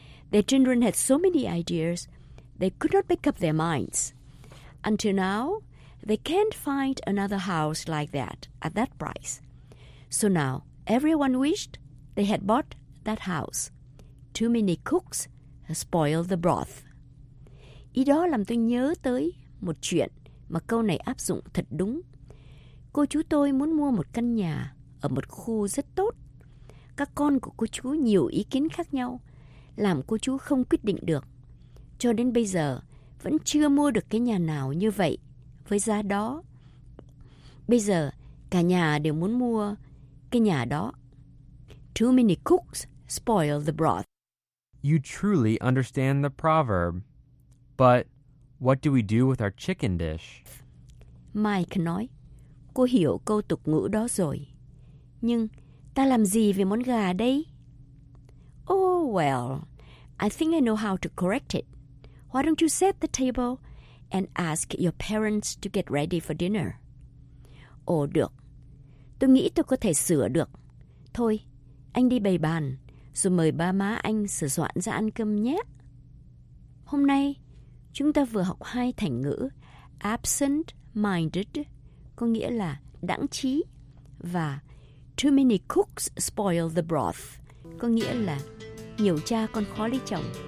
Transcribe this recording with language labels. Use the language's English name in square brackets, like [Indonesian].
[English] Their children had so many ideas, they could not make up their minds. Until now, they can't find another house like that at that price. So now, everyone wished they had bought that house. Too many cooks spoil the broth. [Vietnamese] Ý đó làm tôi nhớ tới một chuyện mà câu này áp dụng thật đúng. Cô chú tôi muốn mua một căn nhà ở một khu rất tốt. Các con của cô chú nhiều ý kiến khác nhau, làm cô chú không quyết định được. Cho đến bây giờ, vẫn chưa mua được cái nhà nào như vậy với giá đó. Bây giờ, cả nhà đều muốn mua cái nhà đó. [English] Too many cooks spoil the broth. You truly understand the proverb. But what do we do with our chicken dish? [Vietnamese] Mike nói, cô hiểu câu tục ngữ đó rồi. Nhưng ta làm gì về món gà đây? [English] Oh, well, I think I know how to correct it. Why don't you set the table and ask your parents to get ready for dinner? [Vietnamese] Oh, được. Tôi nghĩ tôi có thể sửa được. Thôi, anh đi bày bàn, rồi mời ba má anh sửa soạn ra ăn cơm nhé. Hôm nay, chúng ta vừa học 2 thành ngữ. Absent-minded, có nghĩa là đãng trí, và too many cooks spoil the broth, có nghĩa là nhiều cha con khó lấy chồng.